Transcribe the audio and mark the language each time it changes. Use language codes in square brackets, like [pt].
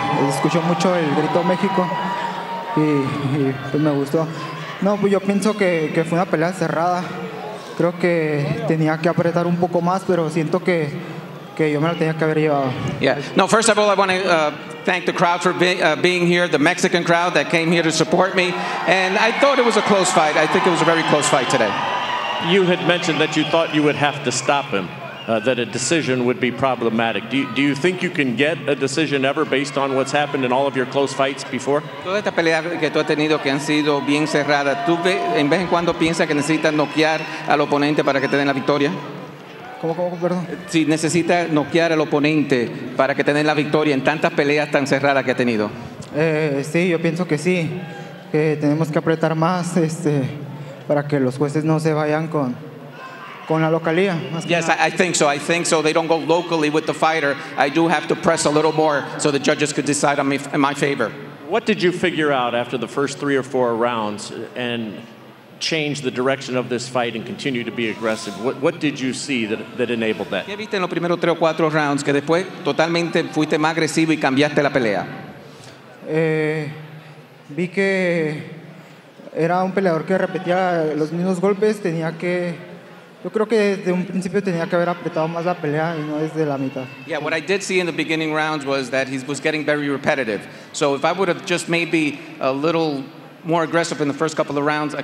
[es] Escuchó mucho el grito México. Y pues me gustó. No, pues yo pienso que fue una pelea cerrada. Creo que tenía que apretar un poco más, pero siento que yo me lo tenía que haber llevado. [en] Yeah. No, first of all, I want to thank the crowd for being here, the Mexican crowd that came here to support me. And I thought it was a close fight. I think it was a very close fight today. You had mentioned that you thought you would have to stop him, that a decision would be problematic. Do you think you can get a decision ever based on what's happened in all of your close fights before? [es] Toda esta pelea que tú has tenido que han sido bien cerrada, ¿tú en vez en cuando piensas que necesitas noquear al oponente para que te den la victoria? ¿Cómo, perdón? Si necesitas noquear al oponente para que te den la victoria en tantas peleas tan cerradas que has tenido. Sí, yo pienso que sí. tenemos que apretar más para que los jueces no se vayan con con la localía, más [en] yes, I think so. I think so. They don't go locally with the fighter. I do have to press a little more so the judges could decide on me in my favor. What did you figure out after the first three or four rounds and change the direction of this fight and continue to be aggressive? What did you see that enabled that? [es] ¿Qué viste en los primeros tres o cuatro rounds que después totalmente fuiste más agresivo y cambiaste la pelea? Vi que era un peleador que repetía los mismos golpes, tenía que yo creo que desde un principio tenía que haber apretado más la pelea y no desde la mitad. [en] Yeah, what I did see in the beginning rounds was that he was getting very repetitive. So if I would have just maybe a little more aggressive in the first couple of rounds, I